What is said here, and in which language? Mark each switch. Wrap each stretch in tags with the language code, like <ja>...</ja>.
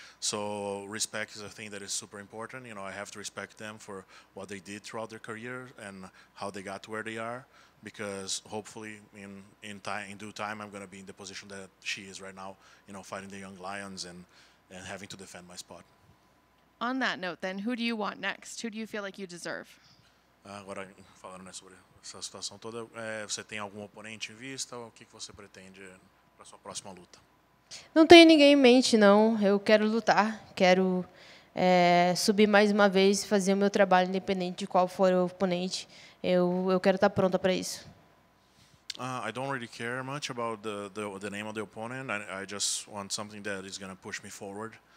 <en>So respect is a thing that is super important. You know, I have to respect them for what they did throughout their career and how they got to where they are, because hopefully in due time, I'm going to be in the position that she is right now, you know, fighting the young lions and having to defend my spot. On that note, then, who do you want next? Who do you feel like you deserve?</en> <pt>Agora, falando, né, sobre essa situação toda, você tem algum oponente em vista? O que você pretende para sua próxima luta? Não tenho ninguém em mente, não. Eu quero lutar. Quero subir mais uma vez e fazer o meu trabalho, independente de qual for o oponente. Eu quero estar pronta para isso.</pt> <en>I don't really care much about the name of the opponent. I just want something that is going to push me forward.</en>